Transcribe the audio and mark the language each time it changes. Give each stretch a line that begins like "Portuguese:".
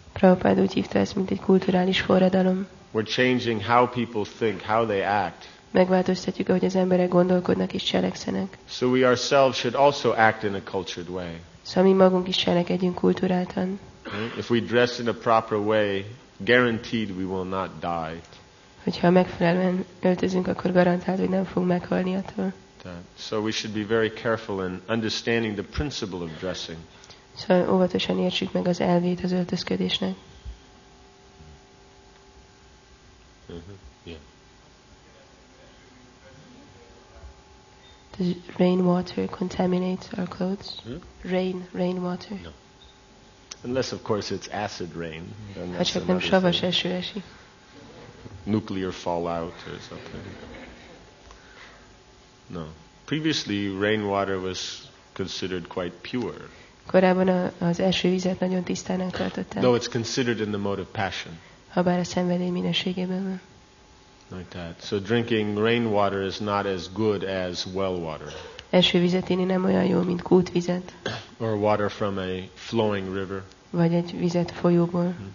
Hungarian: Prabhupada úgy hívta ezt, mint egy kulturális forradalom.
English: We're changing how people think, how they act.
Hungarian: Megváltoztatjuk, ahogy az emberek gondolkodnak és cselekszenek.
English: So we ourselves should also act in a cultured way.
Hungarian: Szóval mi magunk is cselekedjünk kultúráltan.
English: If we dress in a proper way, guaranteed we will not die.
Hungarian: Hogyha megfelelően öltözünk, akkor garantált, hogy nem fogunk meghalni attól.
English: So we should be very careful in understanding the principle of dressing.
Hungarian: Szóval óvatosan értsük meg az elvét az öltözködésnek.
English: Does rainwater contaminate our clothes? Rainwater. No. Unless of course it's acid rain.
Hungarian: Ha csak nem savas eső esik.
English: Nuclear fallout or something. No. Previously rainwater was considered quite pure.
Hungarian: Korábban az esővizet nagyon tisztának tartották.
English: No, it's considered in the mode of passion.
Hungarian: Habár a szenvedély minőségében van.
English: Like that. So drinking rainwater is not as good as well water.
Hungarian: Esővizet inni nem olyan jó, mint kútvizet.
English: Or water from a flowing river.
Hungarian: Vagy egy vizet folyóból.